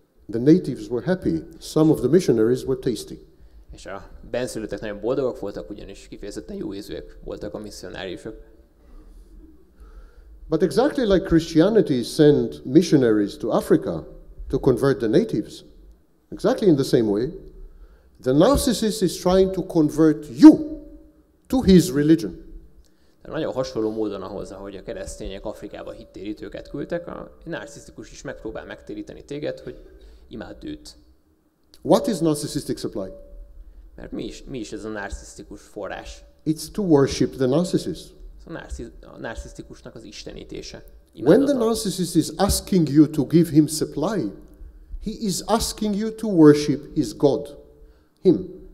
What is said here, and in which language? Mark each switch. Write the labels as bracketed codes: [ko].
[en] The natives were happy. Some of the missionaries were tasty. [hu] És a benszülöttek nagyon boldogok voltak, ugyanis kifejezetten jó ízűek voltak a misszionáriusok. [en] But exactly like Christianity sent missionaries to Africa to convert the natives, exactly in the same way, the narcissist is trying to convert you to his religion. [hu] Nagyon hasonló módon ahhoz, ahogy a keresztények Afrikába hittérítőket küldtek, a narcisztikus is megpróbál megtéríteni téged, hogy imádd őt. [en] What is narcissistic supply? [hu] Mert mi is ez a narcisztikus forrás? [en] It's to worship the narcissist. [hu] A narcisztikusnak az istenítése. [en] When the narcissist is asking you to give him supply, he is asking you to worship his god, him.